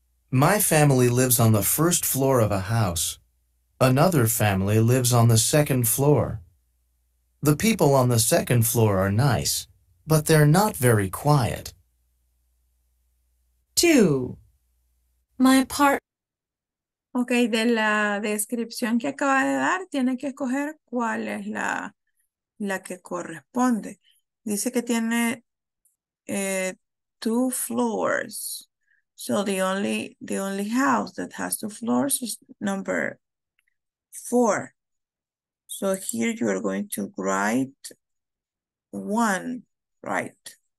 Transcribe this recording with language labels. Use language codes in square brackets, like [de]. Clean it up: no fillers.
[en] My family lives on the first floor of a house. Another family lives on the second floor. The people on the second floor are nice, but they're not very quiet. 2. My part. [es] Okay, de la descripción que acaba de dar, tiene que escoger cuál es la que corresponde. Dice que tiene [en] two floors. So the only house that has two floors is number 4. So here you are going to write 1, right?